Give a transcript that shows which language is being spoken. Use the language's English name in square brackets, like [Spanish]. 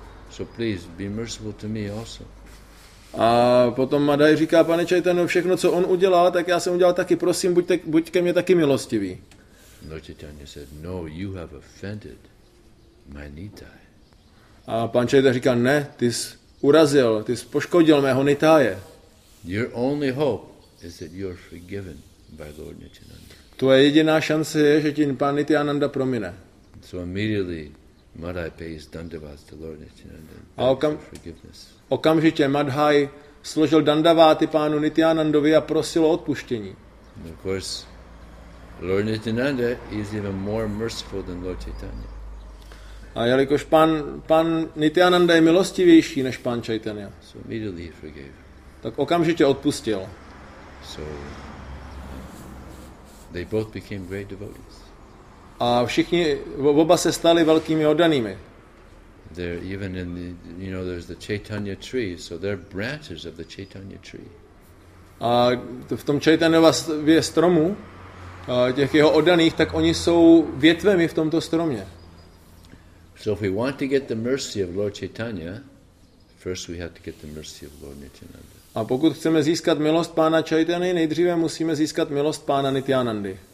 [English] So please, be merciful to me also. [Czech] A potom Madhaj říká, pane Chaitanyo, všechno, co on udělal, tak já jsem udělal taky, prosím, buď ke mně taky milostivý. [English] Lord Chaitanya said, no, you have offended my Nitai. [Czech] A pan Chaitanya říká, ne, ty jsi urazil, ty jsi poškodil mého Nitaje. [English] Your only hope is that you are forgiven by Lord Nityananda. [Czech] Tvoje jediná šance je, že ti pan Nityananda promine. [English] So immediately Madhaj pays dandavas to Lord Nityananda. [Czech] A okamžitě Madhaj složil dandaváty pánu Nityanandovi a prosil o odpuštění. [English] Of course, Lord Nityananda is even more merciful than Lord Chaitanya. [Czech] A jelikož pan Nityananda je milostivější než pan Chaitanya, [English] so immediately he forgave. [Czech] Tak okamžitě odpustil. [English] So they both became great devotees. [Czech] A všichni oba se stali velkými oddanými. [English] There even in the, you know, there's the Chaitanya tree, so they're branches of the Chaitanya tree. [Czech] A v tom Chaitanyově stromu, těch jeho oddaných, tak oni jsou větvemi v tomto stromě. [English] So if we want to get the mercy of Lord Chaitanya, first we have to get the mercy of Lord Nityananda. [Czech] A pokud chceme získat milost pána Chaitany, nejdříve musíme získat milost pána Nityanandy.